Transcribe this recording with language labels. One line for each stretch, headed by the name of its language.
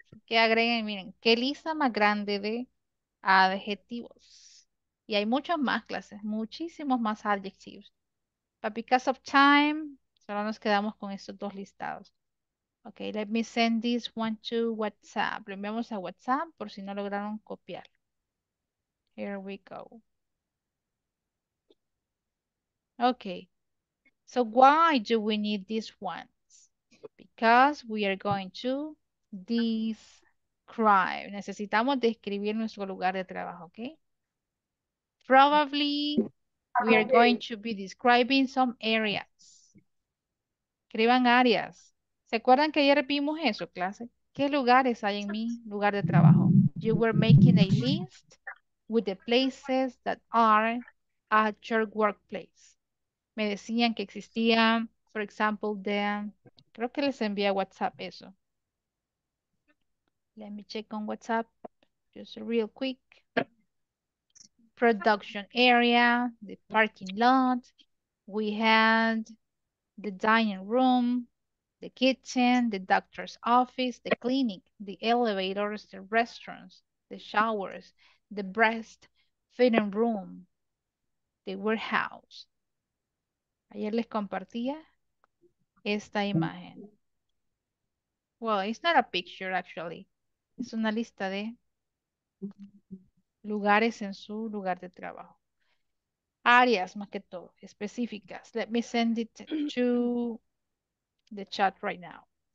Spanish: Que agreguen, miren, qué lista más grande de adjetivos. Y hay muchas más clases, muchísimos más adjetivos.
English: But because of time,
Spanish: solo nos quedamos con estos dos listados.
English: Ok, let me send this one to WhatsApp.
Spanish: Lo enviamos a WhatsApp por si no lograron copiar.
English: Here we go. Ok. So why do we need these ones? Because we are going to describe.
Spanish: Necesitamos describir nuestro lugar de trabajo, ¿ok?
English: Probably we are going to be describing some areas.
Spanish: Escriban áreas. ¿Se acuerdan que ayer vimos eso, clase? ¿Qué lugares hay en mi lugar de trabajo?
English: You were making a list with the places that are at your workplace.
Spanish: Me decían que existía,
English: for example, the,
Spanish: creo que les envía WhatsApp eso.
English: Let me check on WhatsApp, just real quick. Production area, the parking lot. We had the dining room, the kitchen, the doctor's office, the clinic, the elevators, the restaurants, the showers, the breastfeeding room, the warehouse.
Spanish: Ayer les compartía esta imagen.
English: Well, it's not a picture, actually.
Spanish: Es una lista de lugares en su lugar de trabajo. áreas más que todo, específicas.
English: Let me send it to the chat right now.